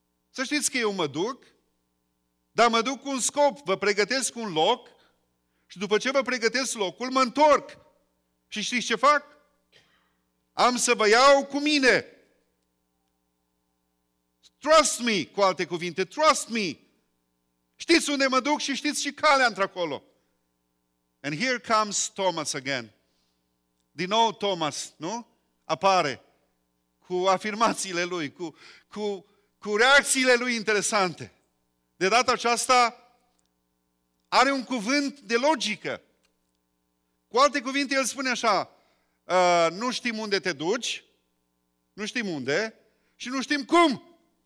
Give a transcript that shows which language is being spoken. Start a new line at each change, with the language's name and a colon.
Romanian: Să știți că eu mă duc, dar mă duc cu un scop, vă pregătesc un loc și după ce vă pregătesc locul, mă întorc. Și știți ce fac? Am să vă iau cu mine.
English: Trust me,
Romanian: cu alte cuvinte,
English: trust me.
Romanian: Știți unde mă duc și știți și calea într-acolo.
English: And here comes Thomas again.
Romanian: Din nou Thomas, nu? Apare cu afirmațiile lui, cu reacțiile lui interesante. De data aceasta are un cuvânt de logică. Cu alte cuvinte, el spune așa, nu știm unde te duci, nu știm unde și nu știm cum.